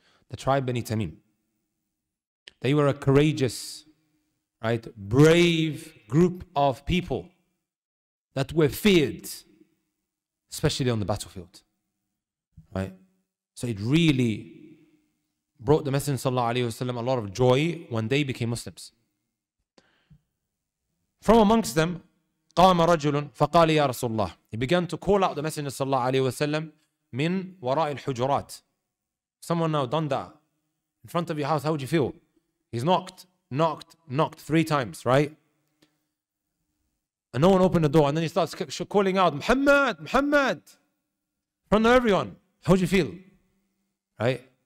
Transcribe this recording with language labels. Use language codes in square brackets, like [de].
[en] The tribe Bani Tamim. They were a courageous, right, brave group of people that were feared, especially on the battlefield, right? So it really brought the Messenger sallallahu alayhi wasallam a lot of joy when they became Muslims. From amongst them, [ar] قام رجل فقال يا رسول الله. [en] He began to call out the Messenger صلى الله عليه وسلم [ar] من وراء الحجرات. [en] Someone now done that in front of your house. How would you feel? He's knocked 3 times, right? And no one opened the door. And then he starts calling out, Muhammad, in front of everyone. How would you feel? Right?